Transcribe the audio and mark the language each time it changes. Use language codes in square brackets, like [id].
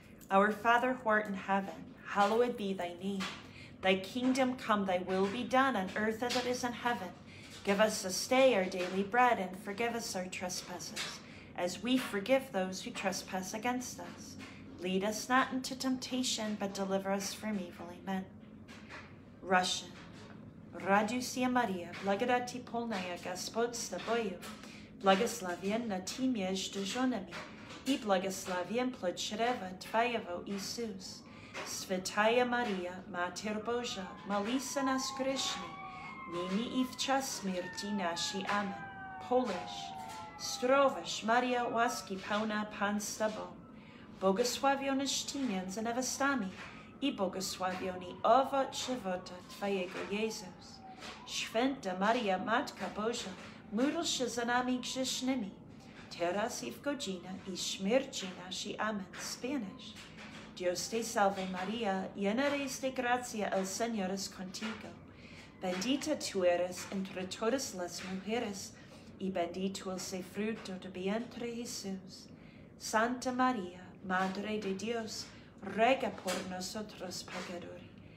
[en] Our Father who art in heaven, hallowed be thy name. Thy kingdom come, thy will be done on earth as it is in heaven. Give us this day our daily bread and forgive us our trespasses as we forgive those who trespass against us. Lead us not into temptation, but deliver us from evil. Amen. Russian. [ru] Радуйся, Мария, благодати полная, Господь с тобою. Благословенна ты между женами, и благословен плод чрева твоего, Иисус. Святая Мария, Матерь Божия, молись о нас грешны, ныне и в час смерти нашей. [en] Амин. Polish. [pl] Zdrowaś, Maria, łaski pełna, Pan z tobą. Błogosławionyś ty między niewiastami, i błogosławiony owoc żywota twojego, Jezus. Święta Maria, Matka Boża, módl się za nami grzesznymi, teraz i w godzinę i śmierci naszej. [en] Amen. Spanish. [es] Dios te salve Maria, llena eres de gracia, el Señor es contigo. Bendita tú eres entre todas las mujeres, y bendito es el fruto de vientre, Jesús. Santa Maria, Madre de Dios, ruega por nosotros pecadores.